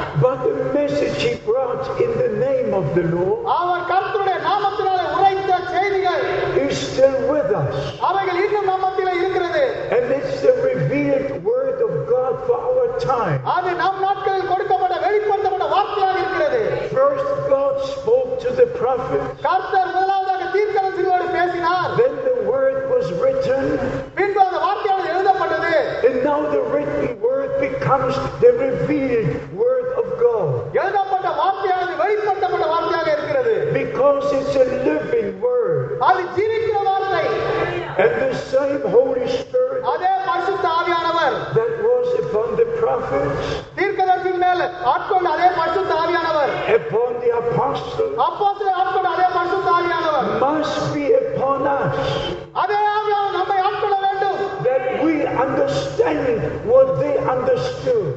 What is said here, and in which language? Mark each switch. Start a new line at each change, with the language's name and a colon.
English: But the message he brought in the name of the Lord.
Tamil: அவர் கர்த்தருடைய நாமத்தினாலே உரைத்த செய்திகள்
English: is still with us.
Tamil: அவைகள் இன்னும் நம்மத்திலே இருக்கிறது.
English: And it's the revealed word of God for our time.
Tamil: அது நம் நாட்களில் கொடுக்கப்பட்ட வெளிப்படுத்தப்பட்ட வார்த்தையாக இருக்கிறது.
English: First God spoke to the prophet.
Tamil: கர்த்தர் முதலாவதாக தீர்க்கதரிசியோடு பேசினார்.
English: Then the word was written.
Tamil: பின்பு அந்த வார்த்தையானது எழுதப்பட்டது.
English: And now the written word becomes the revealed word
Tamil: எழுதப்பட்ட வார்த்தையானது வெளிப்படுத்தப்பட்ட வார்த்தையாக இருக்கிறது
English: because it's a living word
Tamil: அது ஜீவிக்கிற வார்த்தை
English: and the same holy spirit
Tamil: அதே பரிசுத்த ஆவியானவர்
English: that was upon the prophets
Tamil: தீர்க்கதரிசியின் மேல் ஆட்கொண்ட அதே பரிசுத்த ஆவியானவர்
English: upon the apostles
Tamil: அப்போஸ்தலர் ஆட்கொண்ட அதே பரிசுத்த ஆவியானவர்
English: must be upon us
Tamil: அதே ஆவியானவர் நம்மை ஆட்கொள்ள வேண்டும்
English: that we understand what they understood